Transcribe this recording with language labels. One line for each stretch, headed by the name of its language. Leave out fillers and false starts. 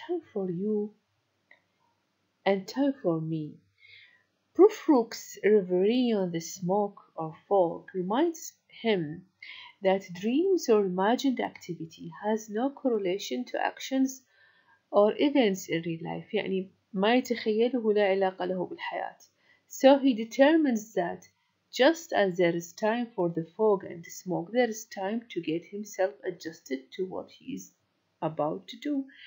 English: Time for you and time for me. Prufrock's reverie on the smoke or fog reminds him that dreams or imagined activity has no correlation to actions or events in real life.
Arabic: يعني ما يتخيله لا علاقة له بالحياة.
English: So he determines that just as there is time for the fog and the smoke, there is time to get himself adjusted to what he is about to do.